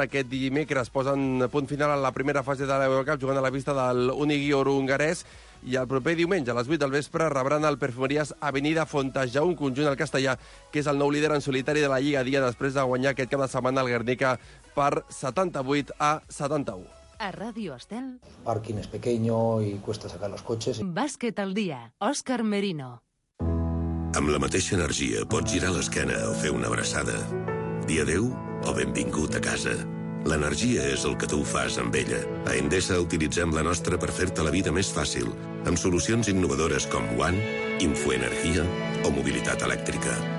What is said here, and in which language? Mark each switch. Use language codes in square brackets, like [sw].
[ca] Aquest dimecres posen punt final a la primera fase de l'Eurocup jugant a la vista del Unigior hongarès. I el proper diumenge, a les 8 del vespre, rebran el Perfumeries Avenida Fontajau, un conjunt al castellà, que és el nou líder en solitari de la Lliga Dia, després de guanyar aquest cap de setmana el Guernica per 78-71. A Radio Estel. [es] Parking es pequeño y cuesta sacar los coches. [ca] Bàsquet al dia, Òscar Merino. Amb la mateixa energia pots girar l'esquena o fer una abraçada. Di adeu o benvingut a casa. L'energia és el que tu fas amb ella. A Endesa utilitzem la nostra per fer-te la vida més fàcil, amb solucions innovadores com One, Infoenergia o Mobilitat Elèctrica.